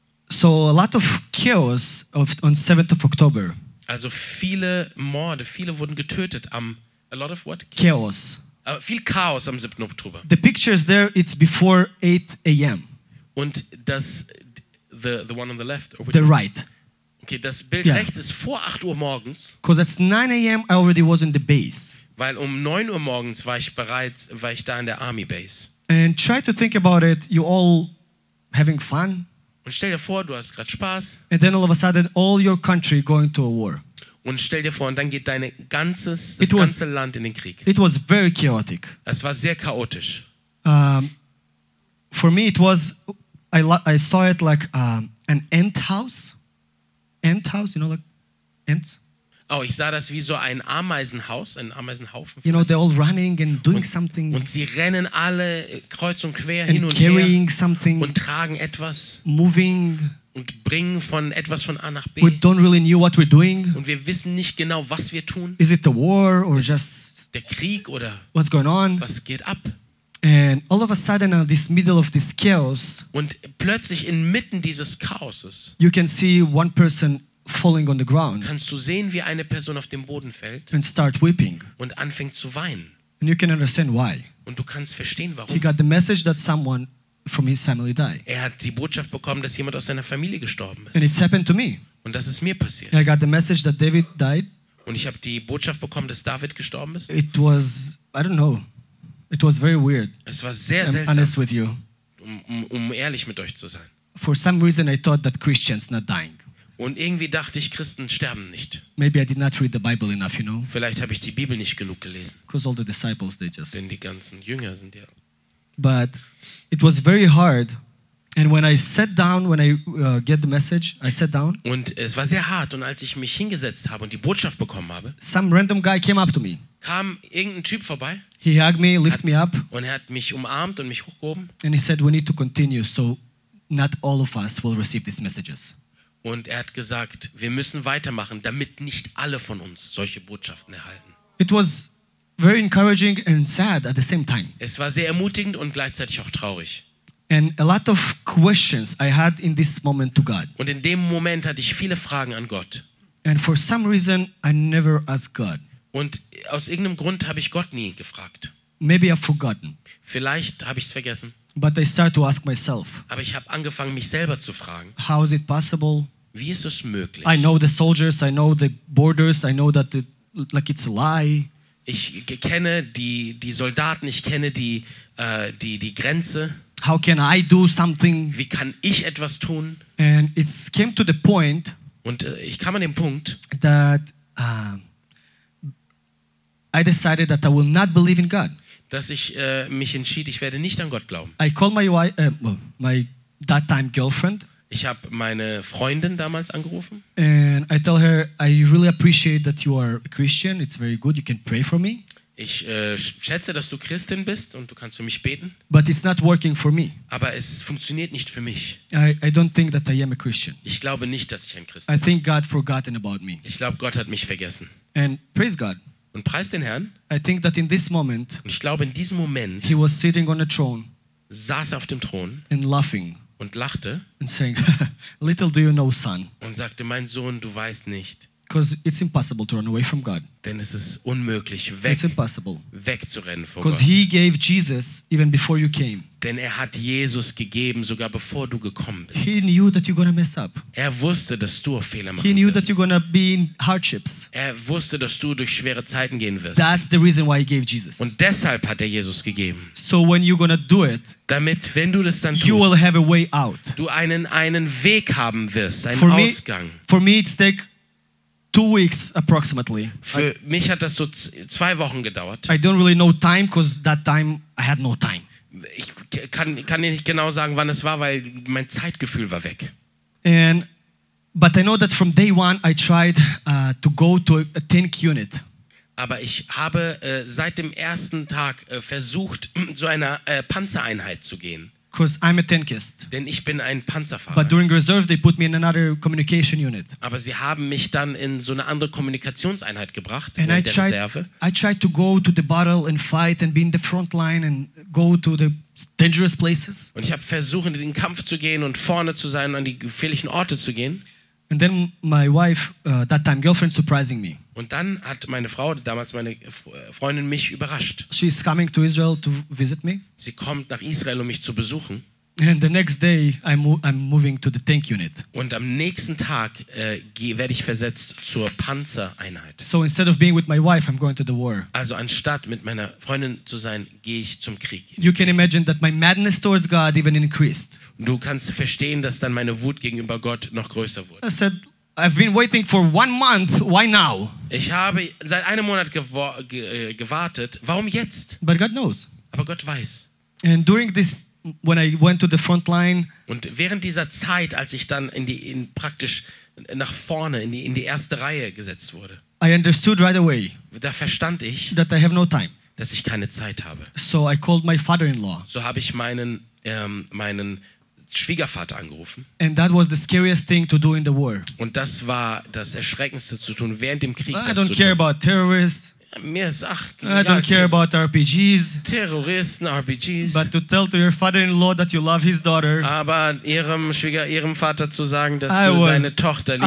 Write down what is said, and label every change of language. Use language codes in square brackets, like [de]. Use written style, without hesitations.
[en] So a lot of chaos on 7th of October. [de] Also viele Morde, viele wurden getötet am, [en] a lot of what? Chaos. [de] Viel Chaos am 7. Oktober. [en] The picture is there, it's before 8 a.m. [de] Und das, [en] the one on the left? Or the one? Right. [de] Okay, das Bild yeah. Rechts ist vor 8 Uhr morgens. [en] Because at 9 a.m. I already was in the base. [de] Weil um 9 Uhr morgens war ich da in der Army Base. [en] And try to think about it, you all having fun. [de] Und stell dir vor, du hast gerade Spaß. [en] And then all of a sudden, all your country going to a war. [de] Und stell dir vor, und dann geht das ganze Land in den Krieg. [en] It was very chaotic. [de] Es war sehr chaotisch. [en] For me, it was, I saw it like an ant house. Ant house, you know, like ants. [de] Oh, ich sah das wie so ein Ameisenhaus, ein Ameisenhaufen. [en] You know, they're all running and doing something. [de] Und sie rennen alle kreuz und quer [en] and [de] hin und [en] carrying [de] her. [en] Something. [de] Und tragen etwas. [en] Moving. [de] Und bringen von etwas von A nach B. [en] We don't really knew what we're doing. [de] Und wir wissen nicht genau, was wir tun. [en] Is it the war or just [de] der Krieg oder [en] what's going on? [de] Was geht ab? [en] And all of a sudden, in this middle of this chaos. [de] Und plötzlich inmitten dieses Chaoses. [en] You can see one person falling on the ground. [de] Kannst du sehen, wie eine Person auf dem Boden fällt? [en] And start weeping. [de] Und anfängt zu weinen. [en] And you can understand why. [de] Und du kannst verstehen, warum. [en] He got the message that someone from his family died. [de] Er hat die Botschaft bekommen, dass jemand aus seiner Familie gestorben ist. [en] And it's happened to me. [de] Und das ist mir passiert. [en] I got the message that David died. [de] Und ich habe die Botschaft bekommen, dass David gestorben ist. [en] It was I don't know. It was very weird. [de] Es war sehr seltsam. [en] Honest with you. [de] Um ehrlich mit euch zu sein. [en] For some reason I thought that Christians not dying. [de] Und irgendwie dachte ich, Christen sterben nicht. [en] Maybe I did not read the Bible enough, you know? [de] Vielleicht habe ich die Bibel nicht genug gelesen. [en] Because all the disciples, they just... [de] Denn die ganzen Jünger sind ja. [en] But it was very hard. And when I sat down, when I get the message, I sat down. [de] Und es war sehr hart. Und als ich mich hingesetzt habe und die Botschaft bekommen habe, [en] some random guy came up to me. [de] Kam irgendein Typ vorbei. [en] He hugged me, lift me up. [de] Und er hat mich umarmt und mich hochgehoben. [en] And he said, we need to continue, so not all of us will receive these messages. [de] Und er hat gesagt, wir müssen weitermachen, damit nicht alle von uns solche Botschaften erhalten. [en] It was very encouraging and sad at the same time. [de] Es war sehr ermutigend und gleichzeitig auch traurig. [en] And a lot of questions I had in this moment to God. [de] Und in dem Moment hatte ich viele Fragen an Gott. [en] And for some reason I never asked God. [de] Und aus irgendeinem Grund habe ich Gott nie gefragt. [en] Maybe I've forgotten. [de] Vielleicht habe ich es vergessen. [en] But I start to ask myself. [de] Aber ich habe angefangen, mich selber zu fragen. [en] How is it possible? [de] Wie ist es möglich? [en] I know the soldiers, I know the borders, I know that like it's a lie. [de] Ich kenne die Soldaten, ich kenne die Grenze. [en] How can I do something? [de] Wie kann ich etwas tun? [en] And it came to the point. [de] Und ich kam an den Punkt, [en] that I decided that I will not believe in God. [de] Dass ich mich entschied, ich werde nicht an Gott glauben. [en] I called my wife, my that time girlfriend. [de] Ich habe meine Freundin damals angerufen. [en] And I tell her, I really appreciate that you are a Christian. It's very good. You can pray for me. [de] Ich schätze, dass du Christin bist und du kannst für mich beten. [en] But it's not working for me. [de] Aber es funktioniert nicht für mich. [en] I don't think that I am a Christian. [de] Ich glaube nicht, dass ich ein Christ bin. [en] I think God forgotten about me. [de] Ich glaube, Gott hat mich vergessen. [en] And praise God. [de] Und preist den Herrn. [en] I think that in this moment, [de] ich glaube, in diesem Moment, [en] he was sitting on a throne, [de] saß er auf dem Thron [en] and laughing, [de] und lachte [en] and saying, little do you know, son. [de] Und sagte, mein Sohn, du weißt nicht. [en] Because it's impossible to run away from God. [de] Denn es ist unmöglich, wegzurennen vor Gott. [en] He gave Jesus even before you came. [de] Denn er hat Jesus gegeben, sogar bevor du gekommen bist. [en] He knew that you're gonna mess up. [de] Er wusste, dass du Fehler machen [en] He knew [de] wirst. [en] That you're gonna be in hardships. [de] Er wusste, dass du durch schwere Zeiten gehen wirst. [en] That's the reason why he gave Jesus. [de] Und deshalb hat er Jesus gegeben. [en] So when you're gonna do it, [de] damit, wenn du das dann tust, [en] you will have a way out. [de] Du einen Weg haben wirst, einen for Ausgang. [en] For me it's like 2 weeks approximately. [de] Für mich hat das so 2 Wochen gedauert. [en] I don't really know time, because that time I had no time. [de] Ich kann nicht genau sagen, wann es war, weil mein Zeitgefühl war weg. [en] And but I know that from day one I tried to go to a tank unit. [de] Aber ich habe seit dem ersten Tag versucht, zu einer Panzereinheit zu gehen. [en] Because I'm a tankist. [de] Denn ich bin ein Panzerfahrer. [en] But during reserve they put me in another communication unit. [de] Aber sie haben mich dann in so eine andere Kommunikationseinheit gebracht, in der Reserve. [en] I tried to go to the battle and fight and be in the front line and go to the dangerous places. [de] Und ich habe versucht, in den Kampf zu gehen und vorne zu sein, an die gefährlichen Orte zu gehen. [en] And then my wife, that time girlfriend, surprising me. [de] Und dann hat meine Frau, damals meine Freundin, mich überrascht. [en] She is coming to Israel to visit me. [de] Sie kommt nach Israel, um mich zu besuchen. [en] And the next day, I'm moving to the tank unit. [de] Und am nächsten Tag werde ich versetzt zur Panzereinheit. [en] So instead of being with my wife, I'm going to the war. [de] Also anstatt mit meiner Freundin zu sein, gehe ich zum Krieg. [en] You can imagine that my madness towards God even increased. [de] Du kannst verstehen, dass dann meine Wut gegenüber Gott noch größer wurde. [en] I said, I've been waiting for 1 month. Why now? [de] Ich habe seit einem Monat gewartet. Warum jetzt? [en] But God knows. [de] Aber Gott weiß. [en] And during this, when I went to the front line. [de] Und während dieser Zeit, als ich dann praktisch nach vorne in die erste Reihe gesetzt wurde. [en] I understood right away. [de] Da verstand ich, [en] that I have no time. [de] Dass ich keine Zeit habe. [en] So I called my father-in-law. [de] So habe ich meinen Schwiegervater angerufen. [en] And that was the scariest thing to do in the war. [de] Und das war das Erschreckendste zu tun während dem Krieg. [en] I don't care about terrorists. [de] Mir ist, ach, [en] I don't care about RPGs. [de] Terroristen, RPGs. [en] But to tell to your father-in-law that you love his daughter. [de] Aber ihrem Vater zu sagen, dass du seine Tochter liebst.